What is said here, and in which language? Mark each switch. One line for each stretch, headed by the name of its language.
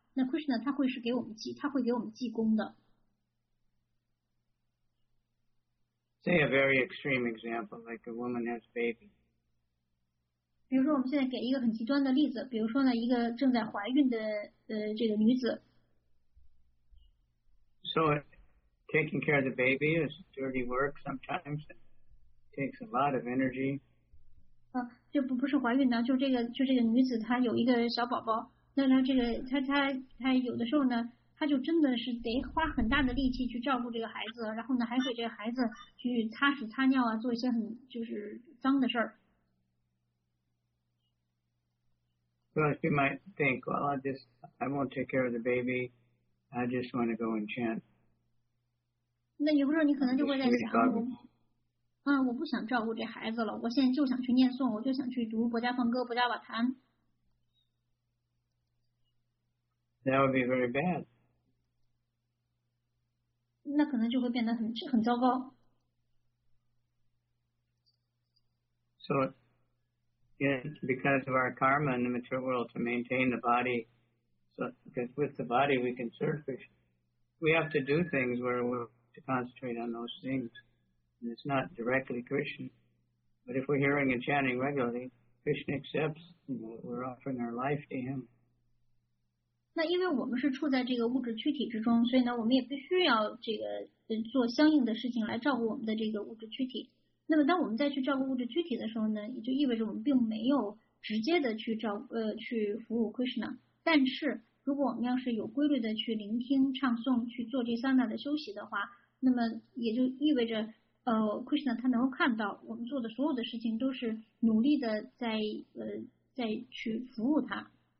Chinese: 那 Krishna 他会是给我们记，他会给我们记功的。
English: Say a very extreme example, like a woman has baby.
Chinese: 比如说我们现在给一个很极端的例子，比如说呢，一个正在怀孕的这个女子。
English: So taking care of the baby is dirty work sometimes. It takes a lot of energy.
Chinese: 就不是怀孕呢，就这个女子她有一个小宝宝，那她这个她有的时候呢，他就真的是得花很大的力气去照顾这个孩子，然后呢还给这个孩子去擦屎擦尿啊，做一些很就是脏的事儿。
English: So she might think, well, I won't take care of the baby. I just want to go and chant.
Chinese: 那有时候你可能就会在想，我不想照顾这孩子了，我现在就想去念诵，我就想去读《博伽梵歌》《博伽瓦坛》。
English: That would be very bad.
Chinese: 那可能就会变得很糟糕。
English: So, yeah, because of our karma in the material world to maintain the body, so because with the body we can serve Krishna, we have to do things where we have to concentrate on those things, and it's not directly Krishna. But if we're hearing and chanting regularly, Krishna accepts, you know, we're offering our life to him.
Chinese: 那因为我们是处在这个物质躯体之中，所以呢，我们也必须要这个做相应的事情来照顾我们的这个物质躯体。那么，当我们再去照顾物质躯体的时候呢，也就意味着我们并没有直接的去照去服务 Krishna。但是，如果我们要是有规律的去聆听、唱诵、去做这三大的休息的话，那么也就意味着Krishna 他能够看到我们做的所有的事情都是努力的在去服务他。